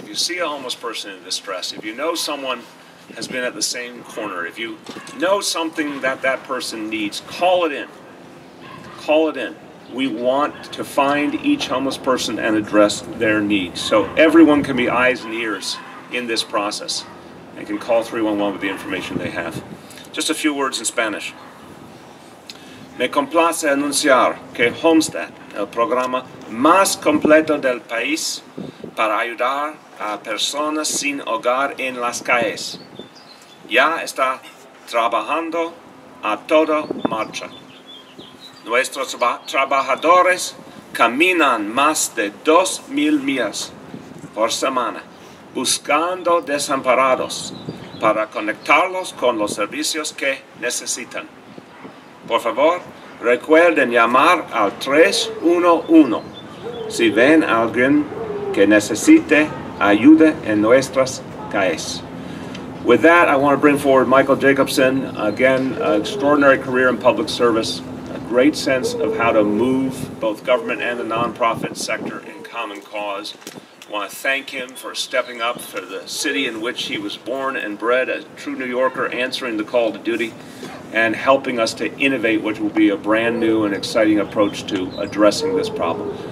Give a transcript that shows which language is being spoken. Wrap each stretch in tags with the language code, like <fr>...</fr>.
<en>If you see a homeless person in distress, if you know someone has been at the same corner, if you know something that that person needs, call it in. Call it in. We want to find each homeless person and address their needs. So everyone can be eyes and ears in this process and can call 311 with the information they have. Just a few words in Spanish.</en> <es>Me complace anunciar que HomeStat, el programa más completo del país para ayudar a personas sin hogar en las calles, ya está trabajando a toda marcha. Nuestros trabajadores caminan más de 2,000 millas por semana buscando desamparados para conectarlos con los servicios que necesitan. Por favor, recuerden llamar al 311 si ven a alguien que necesite ayuda en nuestras calles.</es> <en>With that, I want to bring forward Michael Jacobson. Again, an extraordinary career in public service, a great sense of how to move both government and the nonprofit sector in common cause. I want to thank him for stepping up for the city in which he was born and bred, a true New Yorker, answering the call to duty and helping us to innovate what will be a brand new and exciting approach to addressing this problem.</en>